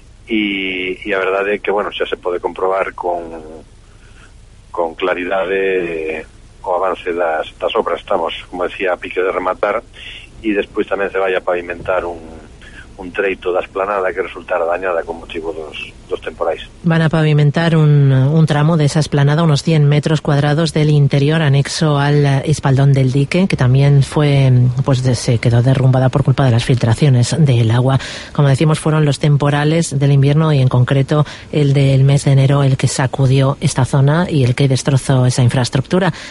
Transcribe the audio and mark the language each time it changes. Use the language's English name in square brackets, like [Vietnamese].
[Galician] E a verdade é que, bueno, xa se pode comprobar con claridade o avance das obras. Estamos, como decía, a pique de rematar, e despois tamén se vai a pavimentar un treito da esplanada que resultara dañada con motivo dos temporais. [Spanish] Van a pavimentar un tramo de esa esplanada, unos 100 metros cuadrados del interior, anexo al espaldón del dique, que también fue, pues, se quedó derrumbada por culpa de las filtraciones del agua. Como decimos, fueron los temporales del invierno, y en concreto el del mes de enero, el que sacudió esta zona y el que destrozó esa infraestructura.